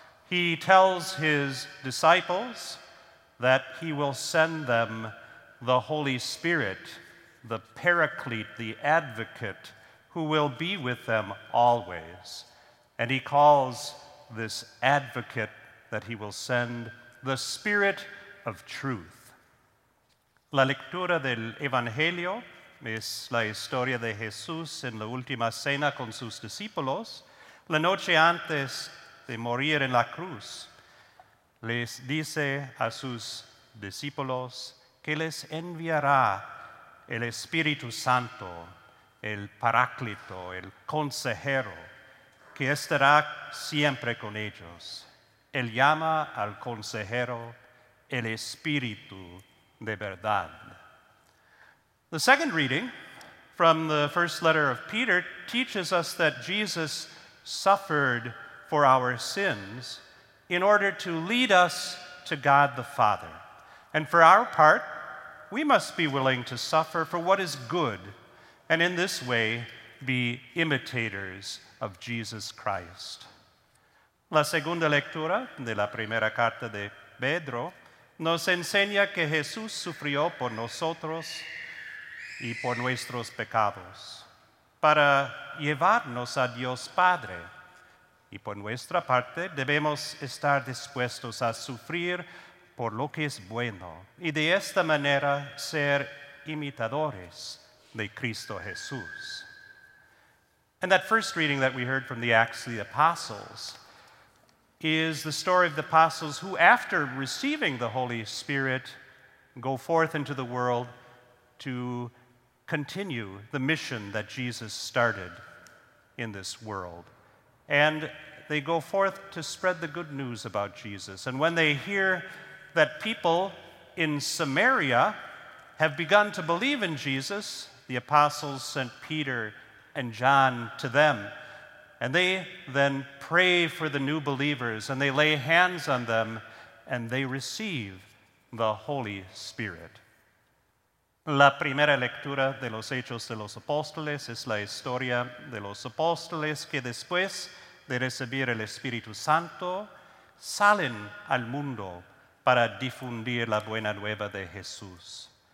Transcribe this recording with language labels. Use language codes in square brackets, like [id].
[en] He tells his disciples that he will send them the Holy Spirit, the Paraclete, the Advocate, who will be with them always. And he calls this Advocate that he will send the Spirit of Truth. [es] La lectura del Evangelio es la historia de Jesús en la última cena con sus discípulos, la noche antes de morir en la cruz. Les dice a sus discípulos que les enviará el Espíritu Santo, el Paráclito, el Consejero, que estará siempre con ellos. Él llama al Consejero el Espíritu de verdad. [en] The second reading from the first letter of Peter teaches us that Jesus suffered for our sins in order to lead us to God the Father. And for our part, we must be willing to suffer for what is good, and in this way, be imitators of Jesus Christ. [es] La segunda lectura de la primera carta de Pedro nos enseña que Jesús sufrió por nosotros y por nuestros pecados, para llevarnos a Dios Padre. Y por nuestra parte, debemos estar dispuestos a sufrir por lo que es bueno, y de esta manera ser imitadores de Cristo Jesús. [en] And that first reading that we heard from the Acts of the Apostles is the story of the apostles who, after receiving the Holy Spirit, go forth into the world to continue the mission that Jesus started in this world. And they go forth to spread the good news about Jesus. And when they hear that people in Samaria have begun to believe in Jesus, the apostles sent Peter and John to them. And they then pray for the new believers, and they lay hands on them, and they receive the Holy Spirit. [es] La primera lectura de los Hechos de los Apóstoles es la historia de los apóstoles que después de recibir el Espíritu Santo salen al mundo para difundir la buena nueva de Jesús.